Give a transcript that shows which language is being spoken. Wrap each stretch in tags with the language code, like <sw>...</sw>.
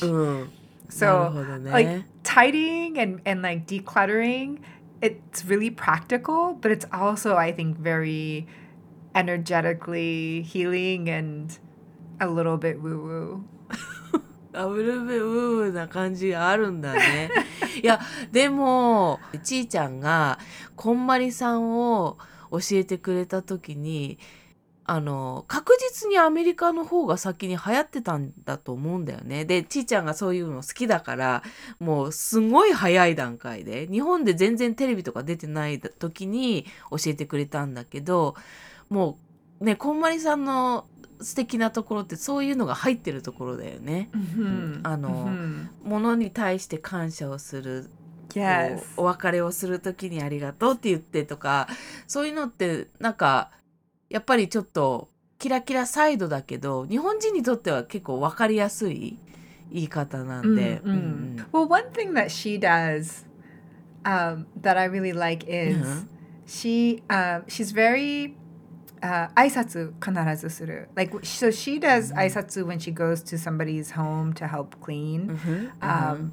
<en>Mm-hmm. So、ね、like tidying and like decluttering,It's really practical, but it's also, I think, very energetically healing and a little bit woo-woo. A little bit woo-woo</en> <ja>な感じあるんだね。いや、でも、ちーちゃんがこんまりさんを教えてくれた時に、あの、確実にアメリカの方が先に流行ってたんだと思うんだよね。で、ちーちゃんがそういうの好きだから、もうすごい早い段階で、日本で全然テレビとか出てない時に教えてくれたんだけど、もうね、こんまりさんの素敵なところってそういうのが入ってるところだよね。うん、あの、物に対して感謝をする。</ja> <en>Yes.</en> <ja>お別れをする時にありがとうって言ってとか、そういうのってなんか、やっぱりちょっとキラキラサイドだけど、日本人にとっては結構わかりやすい言い方なんで。 Mm-hmm. Mm-hmm.</ja> <en>Well, one thing that she does、that I really like is、mm-hmm. she's very、</en> <ja>aisatsu 必ずする。</ja> <en>Like, so she does、mm-hmm. aisatsu when she goes to somebody's home to help clean.、 Mm-hmm.</en>